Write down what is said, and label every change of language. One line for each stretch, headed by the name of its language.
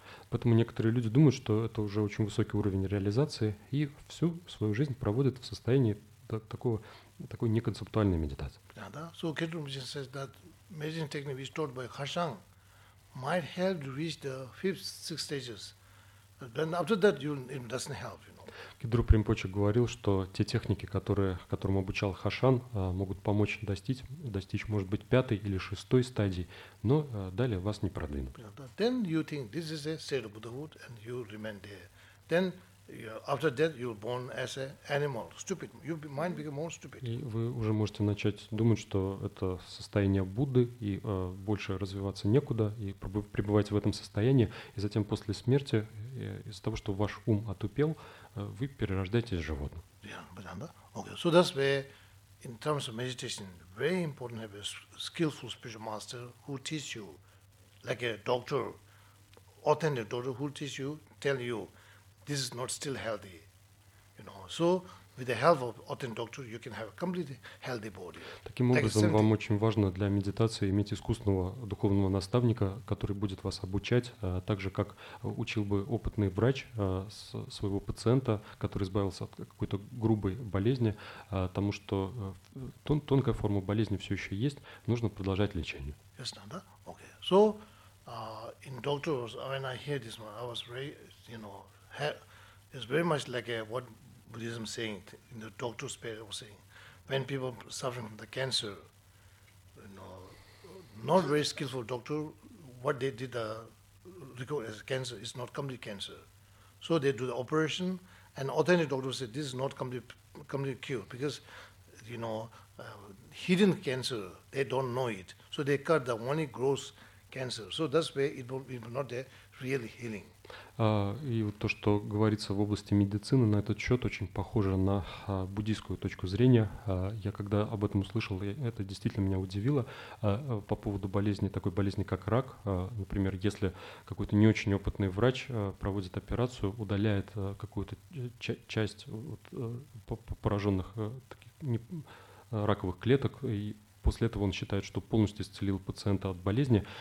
Russian: Поэтому некоторые люди думают, что это уже очень высокий уровень реализации, и всю свою жизнь проводят в состоянии такой неконцептуальной медитации.
English: So Khetrum Bhishan says that meditation technique which is taught by Harshang might help to reach the fifth, sixth stages. Then after that, it doesn't help.
Russian: Кедру Примпоче говорил, что те техники, которым обучал Хашан, могут помочь достичь, может быть, пятой или шестой стадии, но далее вас не продвинут.
English: Then you think this is a state of Buddhahood, and you remain there. Then after that you're born as an animal, stupid. Your mind becomes more stupid.
Russian: И вы уже можете начать думать, что это состояние Будды, и больше развиваться некуда, и пребывать в этом состоянии, и затем после смерти из-за того, что ваш ум отупел, вы перерождаетесь животным.
English: Okay. So that's where, in terms of meditation, very important to have a skillful spiritual master who teaches you, like a doctor, authentic doctor who teaches you, tell you, this is not still healthy, you know. So with the help of authentic doctor, you can have a completely healthy body.
Russian: Таким образом, вам очень важно для медитации иметь искусного духовного наставника, который будет вас обучать, так же, как учил бы опытный врач своего пациента, который избавился от какой-то грубой болезни, потому что тонкая форма болезни все еще есть, нужно продолжать лечение.
English: Yes, да? Okay. So in doctors, when I hear this one, I was very, you know, it's very much like what Buddhism saying in the doctor's paper was saying, when people suffering from the cancer, you know, not very skillful doctor, what they did the record as cancer is not complete cancer, so they do the operation, and authentic doctor said this is not complete cure, because you know hidden cancer they don't know it, so they cut the only gross cancer, so that's where it will not there really healing.
Russian: И вот то, что говорится в области медицины, на этот счет очень похоже на буддийскую точку зрения. Я когда об этом услышал, это действительно меня удивило по поводу болезни, такой болезни, как рак. Например, если какой-то не очень опытный врач проводит операцию, удаляет какую-то часть вот, пораженных таких, раковых клеток, и после этого он считает, что полностью исцелил пациента от болезни.